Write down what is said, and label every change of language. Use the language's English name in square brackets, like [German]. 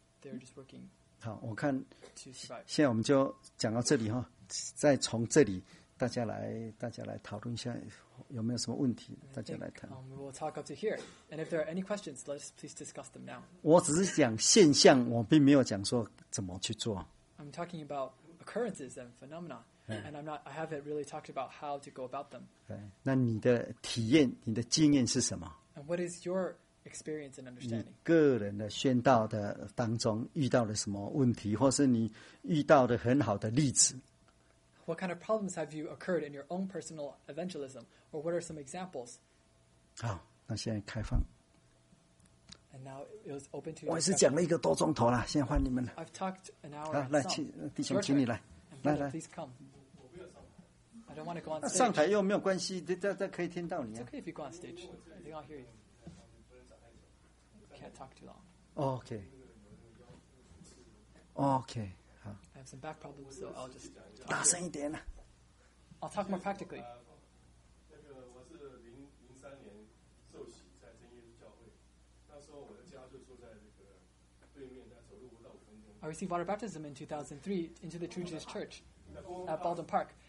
[English] They're just working. [Chinese] 好，我看现在我们就讲到这里哈，再从这里。大家来讨论一下有没有什么问题，大家来谈。 [English] We will talk up to here. And if there are any questions, let's please discuss them now. [Chinese] 我只是讲现象，我并没有讲说怎么去做。 [English] I'm talking about occurrences and phenomena. And I haven't really talked about how to go about them. [Chinese] 那你的体验，你的经验是什么？ [English] And what is your experience and understanding? [Chinese] 你个人的宣道的当中遇到了什么问题，或是你遇到的很好的例子？ [English] What kind of problems have you occurred in your own personal evangelism? Or what are some examples? [Chinese] 好，那现在开放。 [English] And now it was open to you. [Chinese] 我也是讲了一个多钟头了，现在换你们了。 [English] I've talked an hour. [Chinese] 好，来，请弟兄，请你来。来来。 [English] Please come. I don't want to go on stage. [Chinese] 上台又没有关系，这可以听到你啊。 [English] It's okay if you go on stage. I think I'll hear you. Can't talk too long. Okay. I have some back problems, so I'll just talk. [Chinese] 大声一点呢、啊。 [English] I'll talk more practically. [Chinese] 那个我是2003年受洗在真耶稣教会，那时候我的家就住在这个对面，在走路5到5分钟。 [English] I received water baptism in 2003 into the True Jesus Church at Baldwin Park,